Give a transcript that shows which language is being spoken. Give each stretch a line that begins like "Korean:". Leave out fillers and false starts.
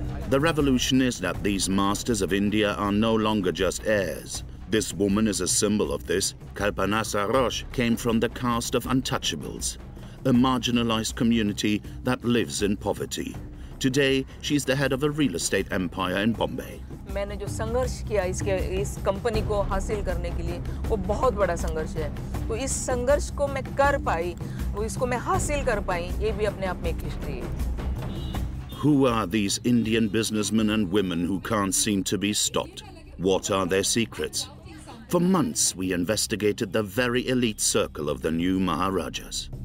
English: The revolution is that these masters of India are no longer just heirs. This woman is a symbol of this. Kalpana Sarosh came from the caste of Untouchables, a marginalized community that lives in poverty. Today, she's the head of a real estate empire in Bombay.
Hindi: मैंने जो संघर्ष किया इसके इस company को हासिल करने के लिए वो बहुत बड़ा संघर्ष है तो इस संघर्ष को मैं कर पाई वो इसको मैं हासिल कर पाई ये भी अपने आप में एक हिस्ट्री है.
English: Who are these Indian businessmen and women who can't seem to be stopped? What are their secrets? For months, we investigated the very elite circle of the new Maharajas.